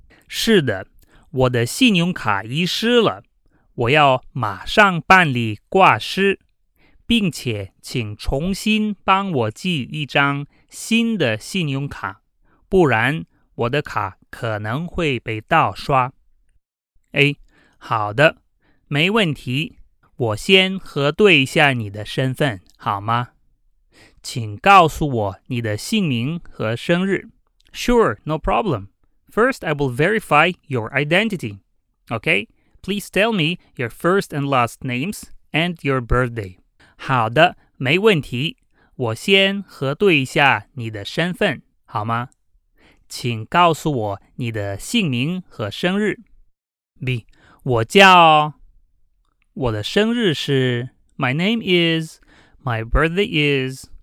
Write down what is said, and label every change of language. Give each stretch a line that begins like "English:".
Chinese: 是的，我的信用卡遗失了，我要马上办理挂失，并且请重新帮我寄一张新的信用卡，不然我的卡可能会被盗刷。哎，好的，没问题，我先核对一下你的身份，好吗？请告诉我你的姓名和生日。
English: Sure, no problem. First, I will verify your identity. Okay, please tell me your first and last names and your birthday.
Chinese: 好的，没问题。我先核对一下你的身份，好吗？请告诉我你的姓名和生日。 B, 我叫…… 我的生日是……
English: My name is… My birthday is…